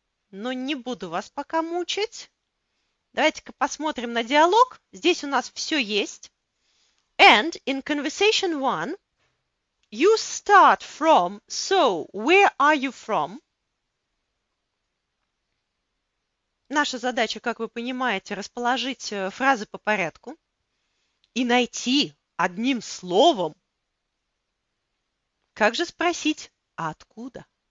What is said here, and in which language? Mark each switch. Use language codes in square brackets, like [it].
[ru] Но не буду вас пока мучить. Давайте-ка посмотрим на диалог. Здесь у нас все есть. [en] And in conversation one, you start from, so where are you from? [ru] Наша задача, как вы понимаете, расположить фразы по порядку и найти одним словом. Как же спросить, а откуда?